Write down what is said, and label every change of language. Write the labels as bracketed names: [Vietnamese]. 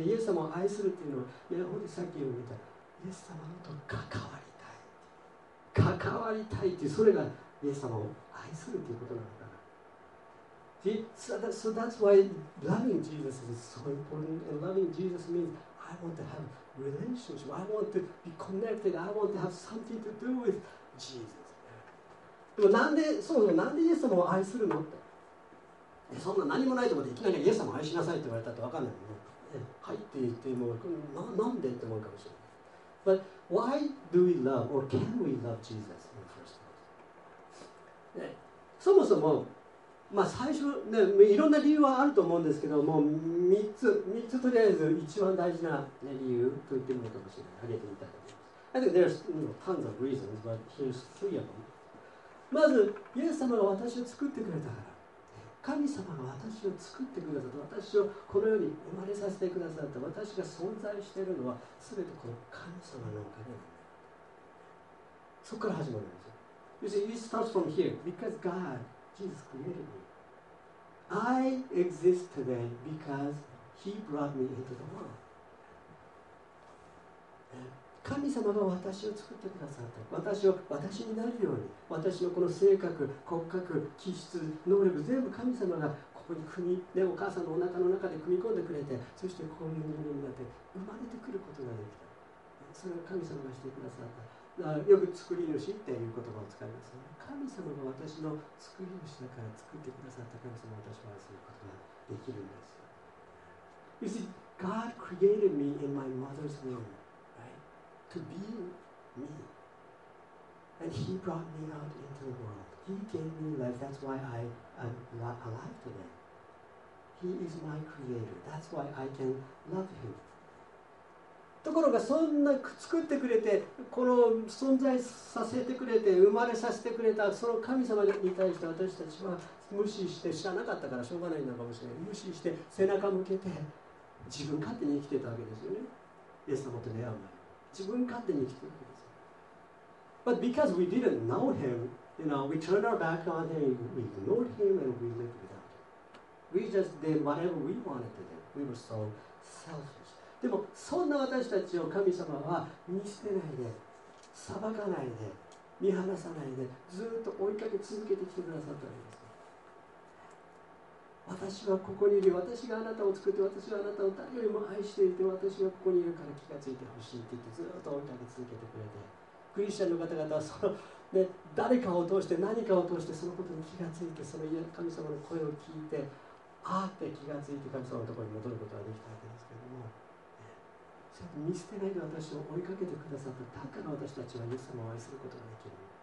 [Japanese] で、イエス様を愛するっていうのは、本当にさっき言ったイエス様と関わりたい、関わりたいっていう、それがイエス様を愛するっていうことなんだ。 [English] So that's why loving Jesus is so important. And loving Jesus means I want to have relationship. I want to be connected. I want to have something to do with Jesus. [Japanese] でもなんで、そもそもなんでイエス様を愛するのって、そんな何もないところでいきなりイエス様を愛しなさいって言われたって分かんないもんね。はいって言ってもう、なんでって思うかもしれない。 [English] But why do we love or can we love Jesus in the first place? [Japanese] そもそも、まあ最初、ね、いろんな理由はあると思うんですけど、もう3つ、3つとりあえず一番大事な理由と言ってもいいかもしれない。挙げてみたいと思います。 [English] I think there's, you know, tons of reasons, but here's three of them. [Japanese] まず、イエス様が私を作ってくれたから。神様が私を作ってくださった、私をこの世に生まれさせてくださった、私が存在しているのは全てこの神様のおかげなんだ。そこから始まるんですよ。 [English] You see, it starts from here. Because God, Jesus created me. I exist today because He brought me into the world. [Japanese] 神様が私を作ってくださった、私を私になるように、私のこの性格、骨格、気質、能力、全部神様がここに組み、ね、お母さんのお腹の中で組み込んでくれて、そしてこういう人間になって生まれてくることができた。それは神様がしてくださった。だからよく作り主っていう言葉を使いますね。神様が私の作り主だから、作ってくださった神様が私を愛することができるんです。 [English] You see, God created me in my mother's womb. To be me. And he brought me out into the world. He gave me life. That's why I am alive today. He is my creator. That's why I can love him. [Japanese] ところが、そんな作ってくれて、この存在させてくれて、生まれさせてくれたその神様に対して、私たちは無視して、知らなかったからしょうがないのかもしれない。無視して背中向けて自分勝手に生きてたわけですよね。イエス様と出会う前、自分勝手に生きているわけです。 [English] But because we didn't know him, you know, we turned our back on him, we ignored him, and we lived without him. We just did whatever we wanted to do. We were so selfish. [Japanese] でも、そんな私たちを神様は見捨てないで、裁かないで、見放さないでずっと追いかけ続けてきてくださったんです。私はここにいる、私があなたを作って、私はあなたを誰よりも愛していて、私はここにいるから気がついてほしいって言ってずっと追いかけ続けてくれて、クリスチャンの方々はその、ね、誰かを通して何かを通してそのことに気がついて、その神様の声を聞いて、ああって気がついて神様のところに戻ることができたわけですけれども、ちょっと見捨てないで私を追いかけてくださった、だから私たちはイエス様を愛することができる。